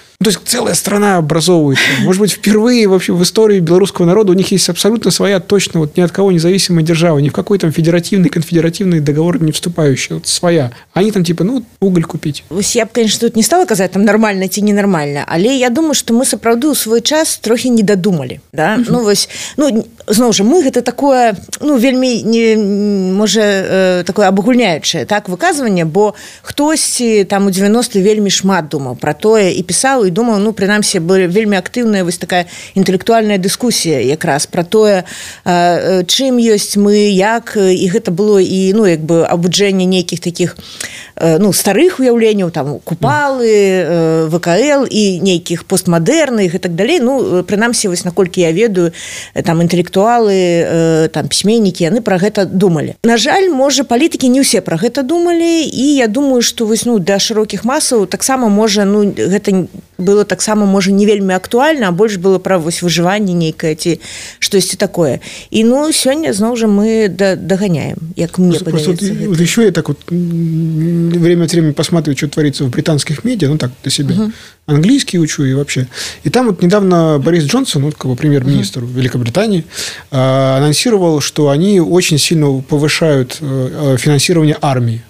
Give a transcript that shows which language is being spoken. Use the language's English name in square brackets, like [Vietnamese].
[Russian] Ну, то есть целая страна образовывается. Может быть, впервые вообще в истории белорусского народа у них есть абсолютно своя, точно, вот ни от кого независимая держава, ни в какой там федеративный, конфедеративный договор не вступающий, вот своя. Они там типа, ну, вот уголь купить. Я бы, конечно, тут не стала казать, там нормально идти, ненормально, але я думаю, что мы, [Belarusian] саправду, у свой час трохи не додумали, [Russian] да? Угу. Ну, вось, ну, [Belarusian] знову ж, ми гэта такое, ну, вельмі не, може, такое абагульняючае, так, выказванне, бо хтось там у 90-е вельмі шмат думаў пра тое і пісаў, і думаў, ну, прынамсі, была вельмі актыўная вось такая інтэлектуальная дыскусія якраз пра тое, чым ёсць мы, як, і гэта было і, ну, як бы абуджэнне нейкіх такіх, ну, старых уяўленняў, там, Купалы, ВКЛ і нейкіх постмадэрных і так далей, ну, прынамсі, вось, наколькі я ведаю, там, інтэлектуалы, там, пісьменнікі, яны пра гэта думалі. На жаль, можа, палітыкі не ўсе пра гэта думалі, і я думаю, што, вось, ну, да шырокіх масаў таксама, можа, ну, гэта было таксама, можа, не вельмі актуальна, а больш было пра, вось, выжыванне нейкае ці штосьці такое. І, ну, сёння, зноў жа, мы даганяем, як мне падаецца. [Russian] Вот еще я так вот время от времени посматриваю, что творится в британских медиа, ну, так, для себя. Английский учу и вообще. И там вот недавно Борис Джонсон, ну, как бы премьер-министр Великобритании, анонсировал, что они очень сильно повышают финансирование армии.